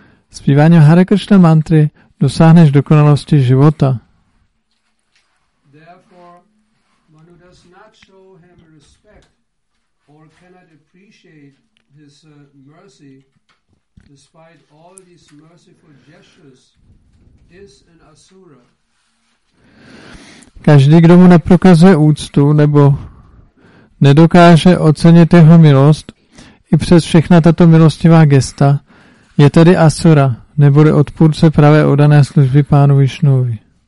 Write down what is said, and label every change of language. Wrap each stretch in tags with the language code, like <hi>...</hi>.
<cs>Zpíváním Hare Krishna mantry dosáhneš dokonalosti života.</cs> <en>Therefore, one who does not show him respect or cannot appreciate his mercy, despite all these merciful gestures, is an asura.</en> <cs>Každý, kdo mu neprokazuje úctu nebo nedokáže ocenit jeho milost i přes všechna tato milostivá gesta, je tedy asura, neboli odpůrce pravé oddané služby pánu Višnovi.</cs>